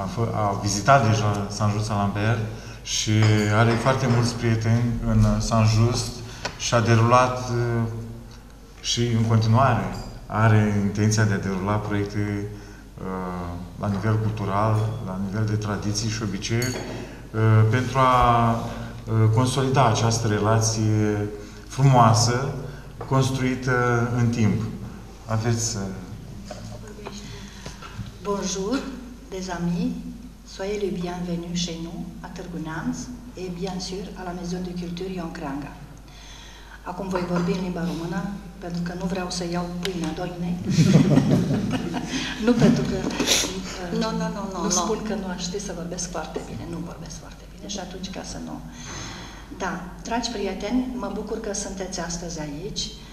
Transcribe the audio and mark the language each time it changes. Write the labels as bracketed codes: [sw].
[ro] a vizitat deja San Just Lambert și are foarte mulți prieteni în San Just și a derulat și în continuare are intenția de a derula proiecte la nivel cultural, la nivel de tradiții și obiceiuri, pentru a consolida această relație frumoasă, construită în timp. Aveți... [fr] Bonjour, des amis, soyez les bienvenus chez nous, à Târgu Neamț, et bien sûr, à la Maison de Culture Ion Creangă. [ro] Acum voi vorbi în limba română, pentru că nu vreau să iau pâinea doinei. Nu pentru că... Nu. Spun că nu aș ști să vorbesc foarte bine. Nu vorbesc foarte bine și atunci ca să nu... Da, dragi prieteni, mă bucur că sunteți astăzi aici.